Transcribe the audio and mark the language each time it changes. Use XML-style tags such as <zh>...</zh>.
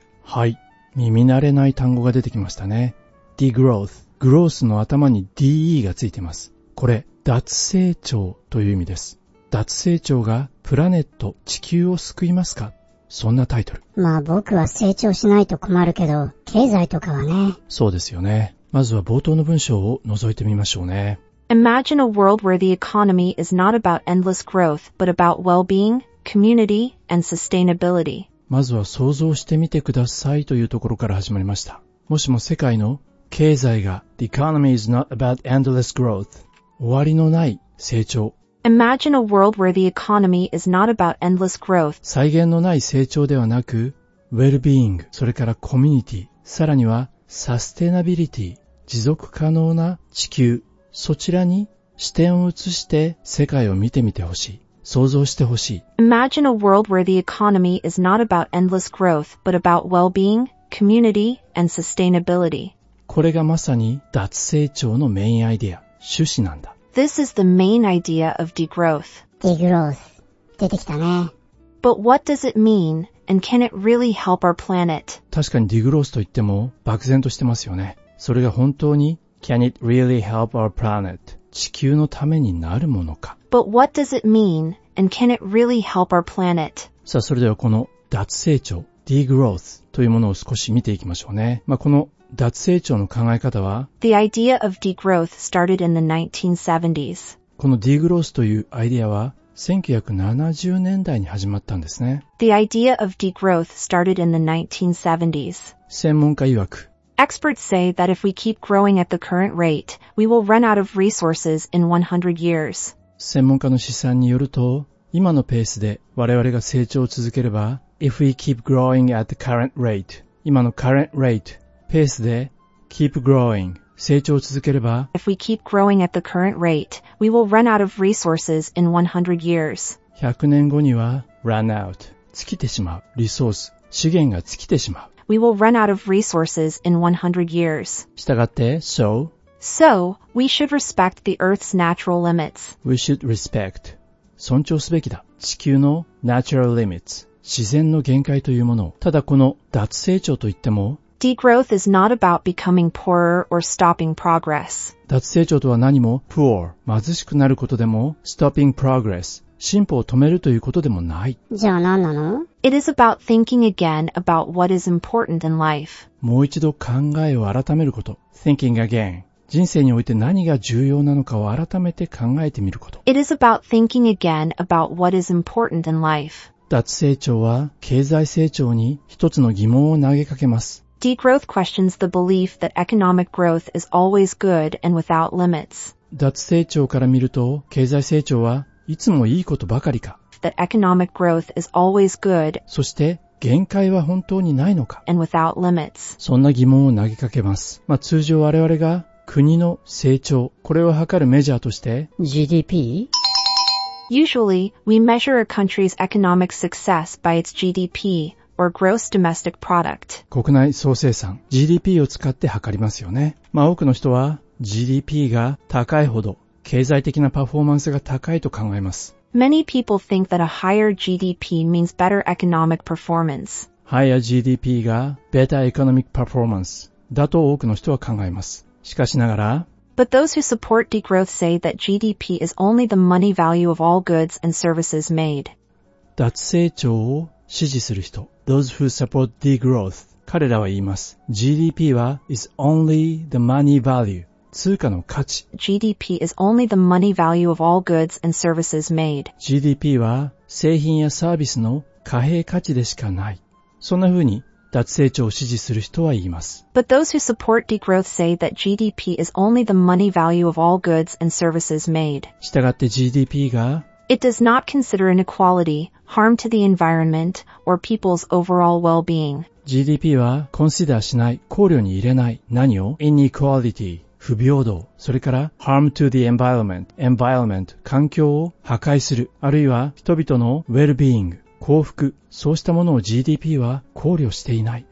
<ja>はい、耳慣れない単語が出てきましたね。Degrowth、 グロースの頭に DE がついています。これ脱成長という意味です。脱成長がプラネット、地球を救いますか、そんなタイトル。まあ僕は成長しないと困るけど、経済とかはね。そうですよね。まずは冒頭の文章を覗いてみましょうね。</ja> <en>Imagine a world where the economy is not about endless growth but about well-being, community, and sustainability。</en> <ja>まずは想像してみてくださいというところから始まりました。もしも世界の経済が</ja> <en>The economy is not about endless growth、</en> <ja>終わりのない成長、</ja> <en>Imagine a world where the economy is not about endless growth、</en> <ja>際限のない成長ではなく Well-being、 それから Community、 さらには Sustainability、 持続可能な地球、そちらに視点を移して世界を見てみてほしい、想像してほしい。</ja> <en>Imagine a world where the economy is not about endless growth but about well-being, community, and sustainability。</en> <ja>これがまさに脱成長のメインアイデア、趣旨なんだ。</ja> <en>This is the main idea of degrowth。</en> <ja>Degrowth 出てきたね。</ja> <en>But what does it mean and can it really help our planet?</en> <ja>確かに degrowth と言っても漠然としてますよね。それが本当に</ja> <en>can it really help our planet、</en> <ja>地球のためになるものか。</ja> <en>But what does it mean and can it really help our planet?</en> <ja>さあ、それではこの脱成長 degrowth というものを少し見ていきましょうね。まあ、この脱成長の考え方は</ja> <en>The idea of degrowth started in the 1970s。</en> <ja>この degrowth というアイデアは1970年代に始まったんですね。</ja> <en>The idea of degrowth started in the 1970s。</en> <ja>専門家曰く、</ja> <en>Experts say that if we keep growing at the current rate, we will run out of resources in 100 years.</en> <ja>専門家の試算によると、今のペースで我々が成長を続ければ、</ja> <en>If we keep growing at the current rate,</en> <ja>今の</ja> <en>current rate,</en> <ja>ペースで</ja> <en>keep growing,</en> <ja>成長を続ければ、</ja> <en>If we keep growing at the current rate, we will run out of resources in 100 years.</en> <ja>100年後には</ja> <en>run out,</en> <ja>尽きてしまう、リソース、資源が尽きてしまう。</ja> <en>We will run out of resources in 100 years.</en> <ja>したがって、so?</ja> <en>So, we should respect the Earth's natural limits. We should respect.</en> <ja>尊重すべきだ。地球の</ja> <en>natural limits.</en> <ja>自然の限界というものを。ただこの脱成長といっても、</ja> <en>Degrowth is not about becoming poorer or stopping progress.</en> <ja>脱成長とは何も、poor, 貧しくなることでも、</ja> <en>stopping progress,</en> <ja>進歩を止めるということでもない。じゃあ何なの？</ja> <en>It is about thinking again about what is important in life.</en> <ja>もう一度考えを改めること。</ja> <en>Thinking again.</en> <ja>人生において何が重要なのかを改めて考えてみること。</ja> <en>It is about thinking again about what is important in life.</en> <ja>脱成長は経済成長に一つの疑問を投げかけます。</ja> <en>Degrowth questions the belief that economic growth is always good and without limits.</en> <ja>脱成長から見ると経済成長はいつもいいことばかりか。</ja> <en>That economic growth is always good.</en> <ja>そして限界は本当にないのか。</ja> <en>And without limits.</en> <ja>そんな疑問を投げかけます。まあ通常我々が国の成長、これを測るメジャーとして</ja> <en>GDP? Usually, we measure a country's economic success by its GDP. Or gross domestic product.</en> <ja>国内総生産 GDP を使って測りますよね。まあ多くの人は GDP が高いほど経済的なパフォーマンスが高いと考えます。</ja> <en>Many people think that a higher GDP means better economic performance. Higher GDP</en> <ja>が</ja> <en>better economic performance</en> <ja>だと多くの人は考えます。しかしながら、</ja> <en>But those who support degrowth say that GDP is only the money value of all goods and services made.</en> <ja>脱成長を支持する人</ja> <en>Those who support degrowth</en> <ja>彼らは言います GDP は</ja> <en>is only the money value</en> <ja>通貨の価値</ja> <en>GDP is only the money value of all goods and services made</en> <ja>GDP は製品やサービスの貨幣価値でしかないそんな風に脱成長を支持する人は言います</ja> <en>But those who support degrowth say that GDP is only the money value of all goods and services made</en> <ja>従って GDP が</ja> <en>It does not consider inequality, harm to the environment, or people's overall well-being.</en> <ja>GDP は consider しない、考慮に入れない、何を inequality, 不平等、それから</ja> <en>harm to the environment,</en> <ja>環境を破壊する、あるいは人々の well-being, 幸福、そうしたものを GDP は考慮していない。</ja>